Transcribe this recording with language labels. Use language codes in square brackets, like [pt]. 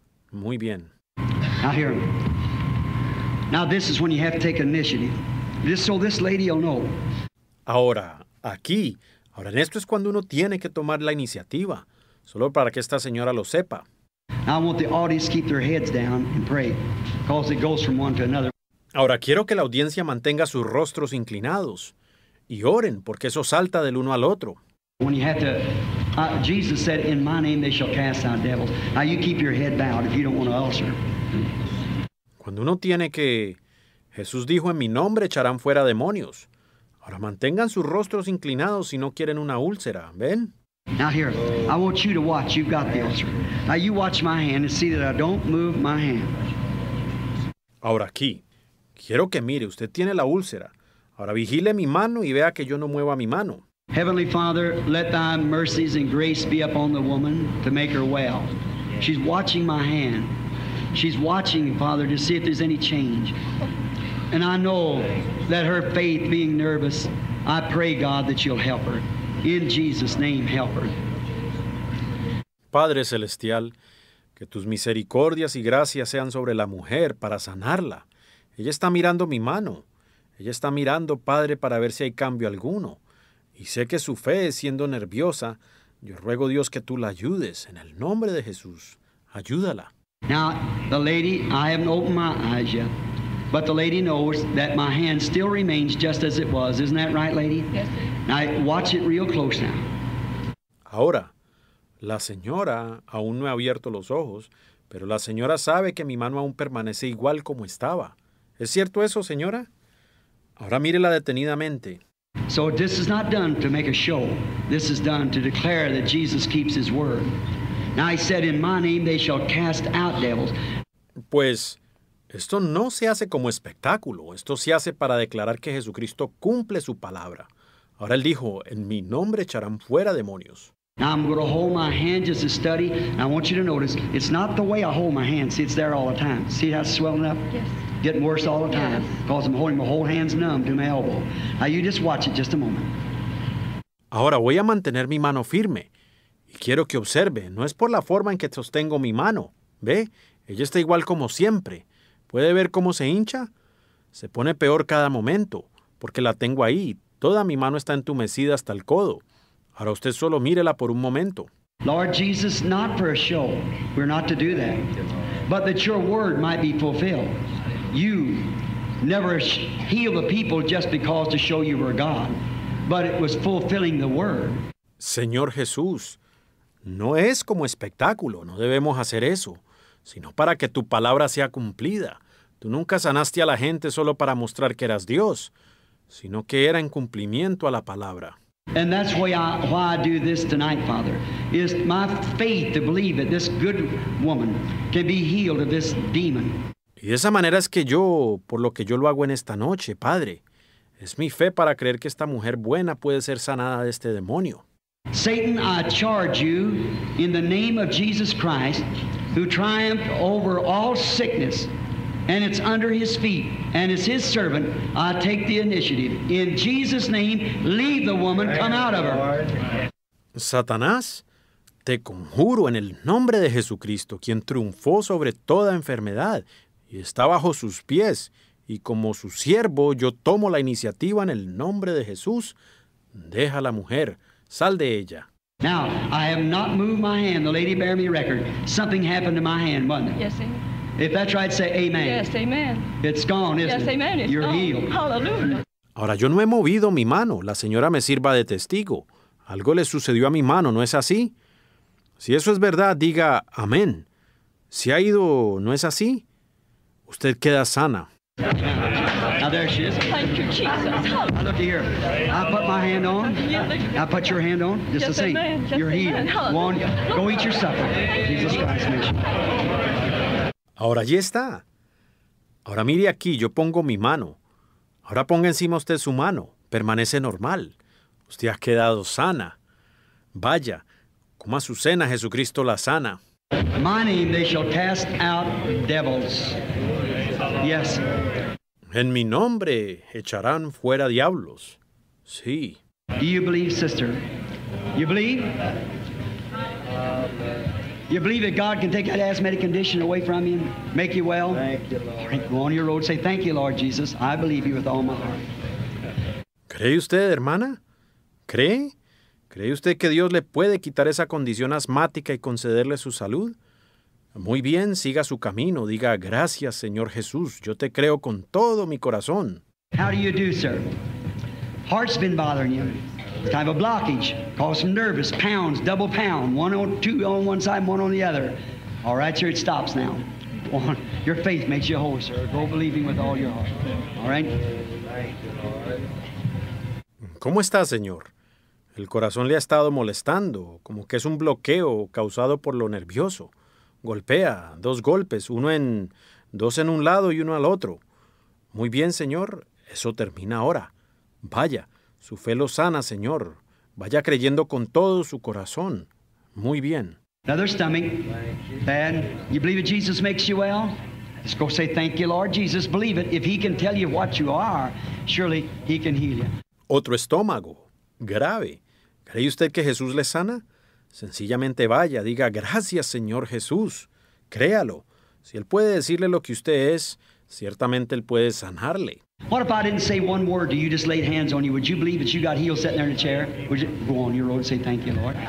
[es] Muy bien. [en] Now here. Now this is when you have to take initiative. This so this lady will know. [es] Ahora, aquí. Ahora en esto es cuando uno tiene que tomar la iniciativa. Solo para que esta señora lo sepa. [en] I want the audience to keep their heads down and pray, because it goes from one to another. [es] Ahora quiero que la audiencia mantenga sus rostros inclinados y oren, porque eso salta del uno al otro. [en] When you have to, Jesus said, "In my name they shall cast out devils." Now you keep your head bowed if you don't want an ulcer. [es] Cuando uno tiene que, Jesús dijo, "En mi nombre echarán fuera demonios." Ahora mantengan sus rostros inclinados si no quieren una úlcera. ¿Ven? [en] Now here, I want you to watch. You've got the ulcer. Now you watch my hand and see that I don't move my hand. [es] Ahora aquí. Quiero que mire, usted tiene la úlcera. Ahora vigile mi mano y vea que yo no mueva mi mano. [en] Heavenly Father, let thy mercies and grace be upon the woman to make her well. She's watching my hand. She's watching, Father, to see if there's any change. And I know that her faith being nervous, I pray, God, that you'll help her. In Jesus' name, help her. [es] Padre Celestial, que tus misericordias y gracias sean sobre la mujer para sanarla. Ella está mirando mi mano. Ella está mirando, Padre, para ver si hay cambio alguno. Y sé que su fe, siendo nerviosa, yo ruego, Dios, que tú la ayudes. En el nombre de Jesús, ayúdala. [en] Now, the lady, I haven't opened my eyes yet, but the lady knows that my hand still remains just as it was. Isn't that right, lady? Yes, sir. Now, watch it real close now. [es] Ahora, la señora aún no ha abierto los ojos, pero la señora sabe que mi mano aún permanece igual como estaba. ¿Es cierto eso, señora? Ahora mírela detenidamente. [en] So this is not done to make a show. This is done to declare that Jesus keeps his word. Now he said, in my name they shall cast out devils. [es] Pues, esto no se hace como espectáculo. Esto se hace para declarar que Jesucristo cumple su palabra. Ahora él dijo, en mi nombre echarán fuera demonios. [en] Now I'm going to hold my hand just to study. And I want you to notice, it's not the way I hold my hand. See, it's there all the time. See how it's swelling up? Yes. Getting worse all the time, because I'm holding my whole hand's numb to my elbow. Now you just watch it just a moment. [es] Ahora voy a mantener mi mano firme. Y quiero que observe, no es por la forma en que sostengo mi mano. ¿Ve? Ella está igual como siempre. ¿Puede ver cómo se hincha? Se pone peor cada momento, porque la tengo ahí. Toda mi mano está entumecida hasta el codo. Ahora usted solo mírela por un momento. [en] Lord Jesus, not for a show. We're not to do that. But that your word might be fulfilled. You never heal the people just because to show you were God, but it was fulfilling the word. [es] Señor Jesús, no es como espectáculo, no debemos hacer eso, sino para que tu palabra sea cumplida. Tú nunca sanaste a la gente solo para mostrar que eras Dios, sino que era en cumplimiento a la palabra. [en] And that's why I do this tonight, Father, is my faith to believe that this good woman can be healed of this demon. [es] Y de esa manera es que yo, por lo que yo lo hago en esta noche, Padre, es mi fe para creer que esta mujer buena puede ser sanada de este demonio. [en] Satan, I charge you in the name of Jesus Christ, who triumphed over all sickness, and it's under his feet, and it's his servant, I take the initiative. In Jesus' name, leave the woman, come out of her. [es] Satanás, te conjuro en el nombre de Jesucristo, quien triunfó sobre toda enfermedad, y está bajo sus pies, y como su siervo, yo tomo la iniciativa en el nombre de Jesús. Deja a la mujer, sal de ella. [en] Now, I have not moved my hand. The lady bear me record. Something happened to my hand, wasn't it? Yes, amen. If that's right, say amen. Yes, amen. It's gone, isn't it? Yes, amen. It's You're gone. Healed. Hallelujah. [es] Ahora, yo no he movido mi mano. La señora me sirva de testigo. Algo le sucedió a mi mano, ¿no es así? Si eso es verdad, diga amén. Si ha ido, ¿no es así? Usted queda sana. [en] Now there she is. Thank you, Jesus. Now look here. I put my hand on. I put your hand on. Just yes, the same. Amen. Yes, You're amen. Healed. One, go eat your supper. Jesus Christ, mission. [es] Ahora allí está. Ahora mire aquí, yo pongo mi mano. Ahora ponga encima usted su mano. Permanece normal. Usted ha quedado sana. Vaya, coma su cena, Jesucristo la sana. [en] My name they shall cast out devils. Yes. [es] En mi nombre echarán fuera diablos. Sí. [en] Do you believe, sister? You believe? You believe that God can take that asthmatic condition away from you and make you well? Thank you, Lord. Go on your road, say, thank you, Lord Jesus. I believe you with all my heart. [es] ¿Cree usted, hermana? ¿Cree? ¿Cree usted que Dios le puede quitar esa condición asmática y concederle su salud? Muy bien, siga su camino. Diga, gracias, Señor Jesús. Yo te creo con todo mi corazón. [en] How do you do, sir? Heart's been bothering you. It's kind of a blockage. Cause some nervous. Pounds, double pound. One on two on one side, one on the other. All right, sir, it stops now. Your faith makes you whole, sir. Go believing with all your heart. All right? [es] ¿Cómo está, Señor? El corazón le ha estado molestando, como que es un bloqueo causado por lo nervioso. Golpea, dos golpes, dos en un lado y uno al otro. Muy bien, Señor, eso termina ahora. Vaya, su fe lo sana, Señor. Vaya creyendo con todo su corazón. Muy bien. [en] Another stomach. Bad. You believe that Jesus makes you well? Let's go say thank you, Lord Jesus. Believe it. If he can tell you what you are, surely he can heal you. [es] Otro estómago. Grave. ¿Cree usted que Jesús le sana? Sencillamente vaya, diga, gracias, Señor Jesús. Créalo. Si Él puede decirle lo que usted es, ciertamente Él puede sanarle. [en] What if I didn't say one word to you, just laid hands on you? Would you believe that you got healed sitting there in a chair? Would you go on your road and say, thank you, Lord?